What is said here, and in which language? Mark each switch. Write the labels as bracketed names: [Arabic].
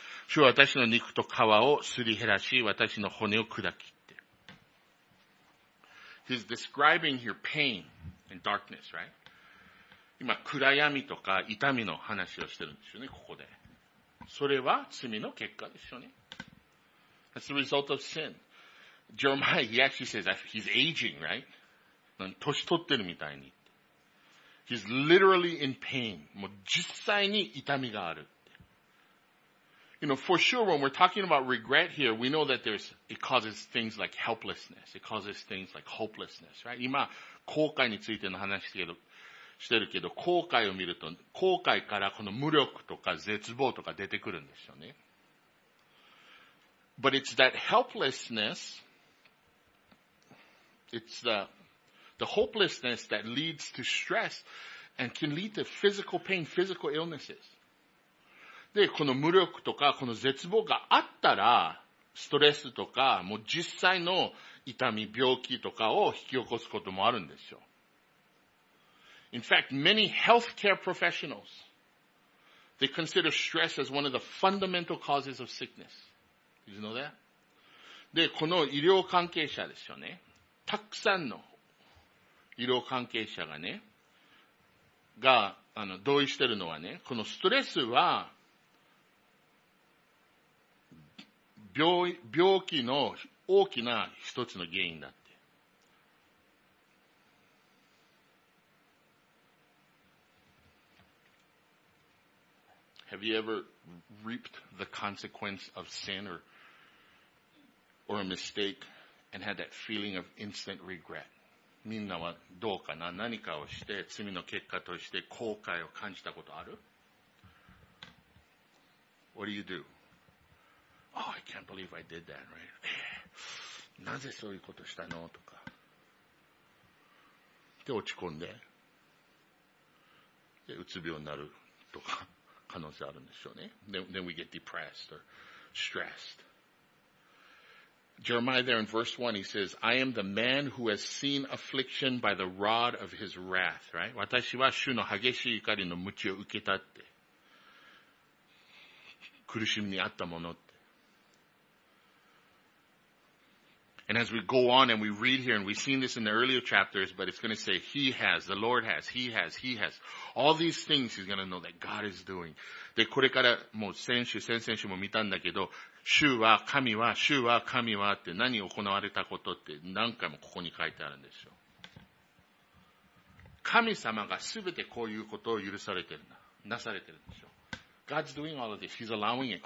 [Japanese] 主は私の肉と皮をすり減らし、私の骨を砕きって。 [English] He's describing here pain and darkness, right? [Japanese] 今、暗闇とか痛みの話をしてるんですよね、ここで。それは罪の結果ですよね。 [English] That's the result of sin. Jeremiah, he actually says that he's aging, right? [Japanese] 年取ってるみたいに。 [English] He's literally in pain. [Japanese] もう実際に痛みがあるって。 [English] You know, for sure, when we're talking about regret here, we know that it causes things like helplessness. It causes things like hopelessness, right? [Japanese] 今、後悔についての話してるけど、後悔を見ると、後悔からこの無力とか絶望とか出てくるんですよね。 [English] But it's that helplessness, it's the hopelessness that leads to stress and can lead to physical pain, physical illnesses. [Japanese] で、この無力とかこの絶望があったら、ストレスとかもう実際の痛み、病気とかを引き起こすこともあるんですよ。 [English] In fact, many healthcare professionals, they consider stress as one of the fundamental causes of sickness. Did you know that? [Japanese] で、この医療関係者ですよね。たくさんの医療関係者がね、が、同意してるのはね、このストレスは、病気の大きな一つの原因だって。 [English] Have you ever reaped the consequence of sin or a mistake and had that feeling of instant regret? [Japanese] みんなはどうかな？何かをして罪の結果として後悔を感じたことある？ [English] What do you do? Oh, I can't believe I did that, right? [Japanese] なぜそういうことしたのとか。で、落ち込んで。で、うつ病になるとか、可能性あるんでしょうね。 [English] Then we get depressed or stressed. Jeremiah there in verse 1, he says, I am the man who has seen affliction by the rod of his wrath, right? [Japanese] 私は主の激しい怒りの鞭を受けたって。苦しみにあったものって。 [English] And as we go on and we read here, and we've seen this in the earlier chapters, but it's going to say, He has, the Lord has, He has, He has. All these things He's going to know that God is doing. [Japanese] で、これからもう先週、先々週も見たんだけど、主は神は、主は神はって何を行われたことって何回もここに書いてあるんですよ。神様がすべてこういうことを許されてるんだ。なされてるんですよ。 [English] God's doing all of this. He's allowing it.